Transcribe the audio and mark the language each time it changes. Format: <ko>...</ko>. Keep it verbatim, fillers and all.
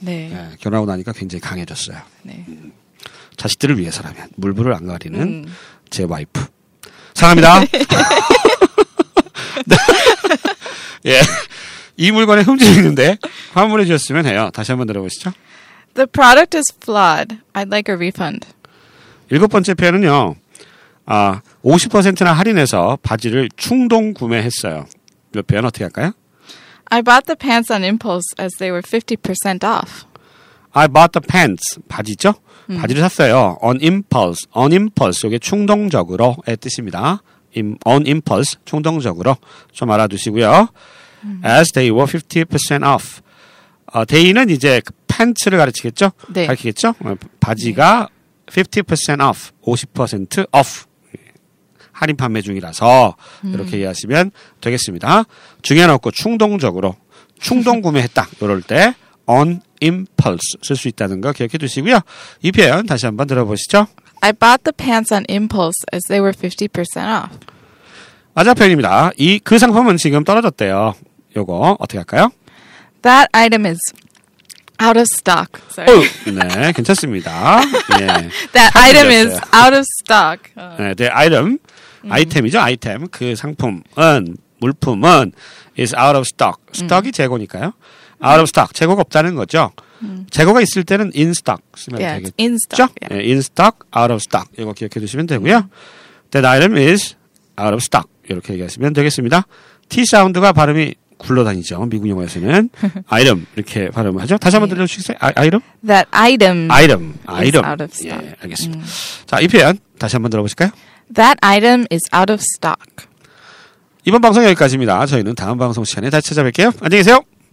<ko>네. 예, 결혼하고 나니까 굉장히 강해졌어요. 네. 음. 자식들을 위해서라면 물불을 안 가리는 음. 제 와이프 사랑합니다. 네. 예. 이 물건에 흠집이 있는데 환불해 주셨으면 해요. 다시 한번 들어보시죠.</ko> <en>The product is flawed. I'd like a refund.</en> <ko>일곱 번째 표현은요. 아, 오십 퍼센트나 할인해서 바지를 충동 구매했어요. 이 표현 어떻게 할까요?</ko> <en>I bought the pants on impulse as they were fifty percent off. I bought the pants.</en> <ko>바지죠? 음. 바지를 샀어요.</ko> <en>On impulse. On impulse.</en> <ko>이게 충동적으로의 뜻입니다.</ko> <en>On impulse.</en> <ko>충동적으로. 좀 알아두시고요. 음.</ko> <en>As they were fifty percent off.</en> <ko>어, day는 이제 팬츠를 가르치겠죠? 네. 가르치겠죠? 바지가 네.</ko> <en>fifty percent off.</en> <ko>오십 퍼센트 off. 할인 판매 중이라서 음. 이렇게 이해하시면 되겠습니다. 중요한 없고 충동적으로 충동 구매했다. 이럴 때</ko> <en>on impulse</en> <ko>쓸 수 있다는 거 기억해 두시고요. 이 표현 다시 한번 들어보시죠.</ko> <en>I bought the pants on impulse as they were fifty percent off.</en> <ko>맞아 표현입니다. 이 그 상품은 지금 떨어졌대요. 요거 어떻게 할까요?</ko> <en>That item is out of stock. Sorry.</en> <ko>네, 괜찮습니다. 예.</ko> <en>That item is out of stock.</en> <ko>네,</ko> <en>the item</en> <ko>음. 아이템이죠, 아이템. 그 상품은, 물품은</ko> <en>is out of stock.</en> <ko>stock이 음. 재고니까요.</ko> <en>out of stock.</en> <ko>재고가 없다는 거죠. 음. 재고가 있을 때는</ko> <en>in stock</en> <ko>쓰면</ko> <en>yeah,</en> <ko>되겠죠.</ko> <en>in stock. Yeah.</en> <ko>네,</ko> <en>in stock, out of stock.</en> <ko>이거 기억해 두시면 되고요.</ko> <en>That item is out of stock.</en> <ko>이렇게 얘기하시면 되겠습니다. T 사운드가 발음이 굴러다니죠. 미국 영화에서는 item 이렇게 발음하죠. 다시 한번 들려주시겠어요?</ko> <en>I, item? That item. item. item. out of stock.</en> <ko>예, 알겠습니다. 음. 자, 이 표현 다시 한번 들어보실까요?</ko> <en>That item is out of stock.</en> <ko>이번 방송 여기까지입니다. 저희는 다음 방송 시간에 다시 찾아뵐게요. 안녕히 계세요.</ko>